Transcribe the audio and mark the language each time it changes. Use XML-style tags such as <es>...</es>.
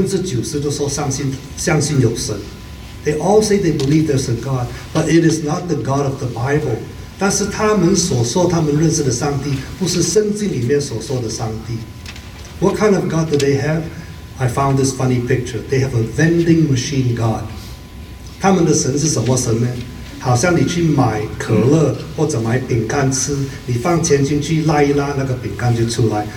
<zh>所以现在很多的系统来调查的时候都说美国人是90%都说相信有神。</zh> <en>They all say they believe there's a God, but it is not the God of the Bible.</en> <zh>但是他们所说他们认识的上帝不是圣经里面所说的上帝。</zh> <en>What kind of God do they have? I found this funny picture. They have a vending machine God.</en> <zh>他们的神是什么神呢? 好像你去买可乐或者买饼干吃，你放钱进去拉一拉，那个饼干就出来。</zh>